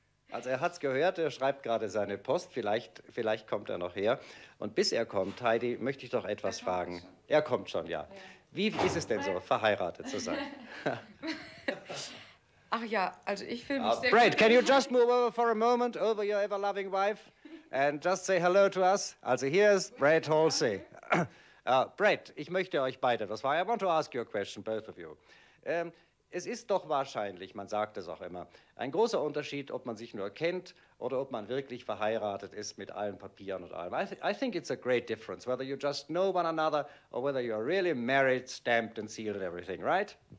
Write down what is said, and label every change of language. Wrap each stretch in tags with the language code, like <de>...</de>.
<de>Also er hat's gehört, er schreibt gerade seine Post. Vielleicht kommt er noch her. Und bis er kommt, Heidi, möchte ich doch etwas fragen. Schon. Er kommt schon, ja. Wie ist es denn so, verheiratet zu sein? Ach ja, also ich fühle mich sehr Brett, gut.</de> <en>Can you just move over for a moment over your ever-loving wife and just say hello to us?</en> <de>Also hier ist Brett Halsey. Brett, ich möchte euch beide, das war,</de> <en>I want to ask you a question, both of you.</en> <de>Es ist doch wahrscheinlich, man sagt es auch immer, ein großer Unterschied, ob man sich nur kennt oder ob man wirklich verheiratet ist mit allen Papieren und allem.</de> <en>I think it's a great difference, whether you just know one another or whether you are really married, stamped and sealed and everything, right?</en>